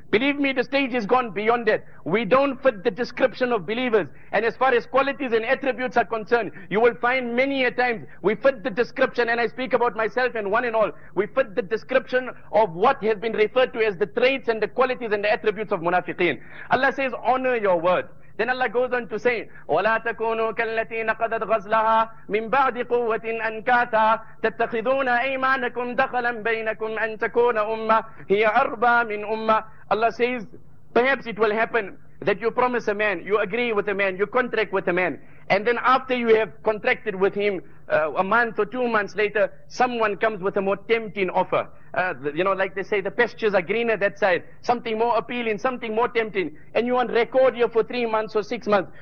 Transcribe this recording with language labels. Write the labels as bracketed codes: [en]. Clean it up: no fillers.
[en] Believe me, the stage is gone beyond that. We don't fit the description of believers. And as far as qualities and attributes are concerned, you will find many a times we fit the description, and I speak about myself and one and all, we fit the description of what has been referred to as the traits and the qualities and the attributes of munafiqeen. Allah says, honor your word. Then Allah goes on to say, [ar] وَلَا تَكُونُوا كَالَّتِي نَقَدَتْ غَزْلَهَا مِنْ بَعْدِ قُوَّةٍ أَنْكَاثًا تَتَّخِذُونَ أَيْمَانَكُمْ دَخَلًا بَيْنَكُمْ أَنْ تَكُونَ أُمَّةً هِيَ أَرْبَى مِنْ أُمَّةً. [en] Allah says, perhaps it will happen that you promise a man, you agree with a man, you contract with a man, and then after you have contracted with him, a month or 2 months later, someone comes with a more tempting offer. You know, like they say, the pastures are greener that side, something more appealing, something more tempting, and you're on record here for 3 months or 6 months.